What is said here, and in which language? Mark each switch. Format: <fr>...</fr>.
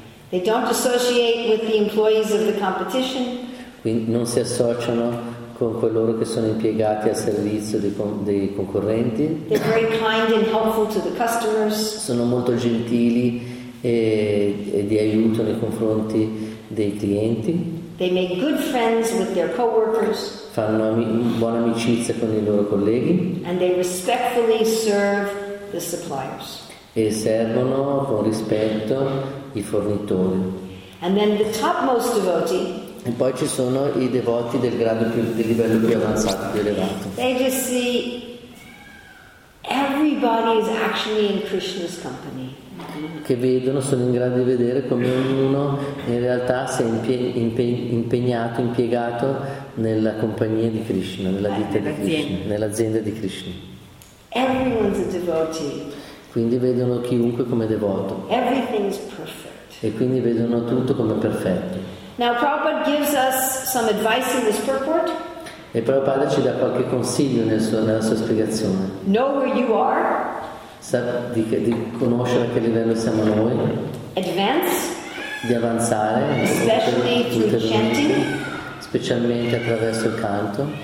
<en>They don't associate with the employees of the competition.</en> <it>Quindi non si associano con coloro che sono impiegati al servizio dei concorrenti.</it> <en>They're very kind and helpful to the customers.</en> <it>Sono molto gentili e di aiuto nei confronti dei clienti.</it> <en>They make good friends with their coworkers.</en> <it>Fanno buona amicizia con i loro colleghi.</it> <en>And they respectfully serve the suppliers.</en> <it>E servono con rispetto i fornitori.</it> <en>And then the topmost devotee.</en> <it>E poi ci sono i devoti del grado più, del livello più avanzato, più elevato.</it> <en>They just see everybody is actually in Krishna's company.</en> <it>Che vedono, sono in grado di vedere come ognuno in realtà si è impegnato, impiegato nella compagnia di Krishna, nella ditta di Krishna, nell'azienda di Krishna.</it> <en>Everyone's a devotee.</en> <it>Quindi vedono chiunque come devoto.</it> <en>Everything's perfect.</en> <it>E quindi vedono tutto come perfetto.</it> <en>Now Prabhupada gives us some advice in this purport.</en> <it>E Prabhupada ci dà qualche consiglio nella sua spiegazione.</it> <en>Know where you are.</en> <it>Di conoscere a che livello siamo noi.</it> <en>Advance.</en> <it>Di avanzare.</it> <en>Especially through chanting.</en> <it>Specialmente attraverso il canto.</it>